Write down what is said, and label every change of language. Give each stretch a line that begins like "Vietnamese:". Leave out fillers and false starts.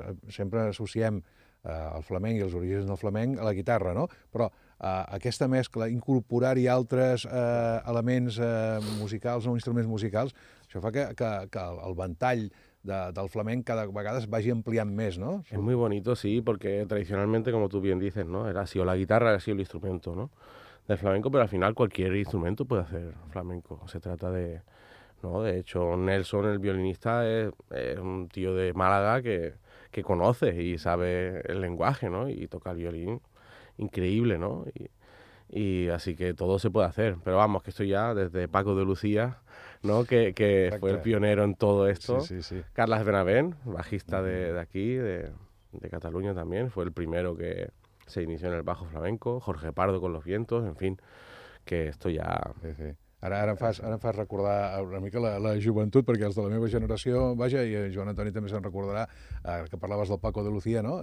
Catalan: Sempre associem el flamenc i els orígens del flamenc a la guitarra, no? Però aquesta mescla, incorporar-hi altres elements musicals, no, instruments musicals, això fa que el ventall del flamenc cada vegada es vagi ampliant més, no?
Spanish: Es muy bonito, sí, porque tradicionalmente, como tú bien dices, ¿no? Era así, o la guitarra era así, el instrumento, ¿no? Del flamenco, pero al final cualquier instrumento puede hacer flamenco. Se trata de, ¿no? De hecho, Nelson, el violinista, es un tío de Málaga que conoce y sabe el lenguaje, ¿no? Y toca el violín increíble, ¿no? Y así que todo se puede hacer. Pero vamos, que estoy ya desde Paco de Lucía, ¿no? Que fue el pionero en todo esto. Sí, sí, sí. Carles Benavent, bajista de aquí, de Cataluña también, fue el primero que se inició en el bajo flamenco. Jorge Pardo con los vientos, en fin, que esto ya... Sí, sí.
Catalan: Ara em fas recordar una mica la joventut, perquè els de la meva generació, vaja, i Joan Antoni també se'n recordarà, que parlaves del Paco de Lucía, no?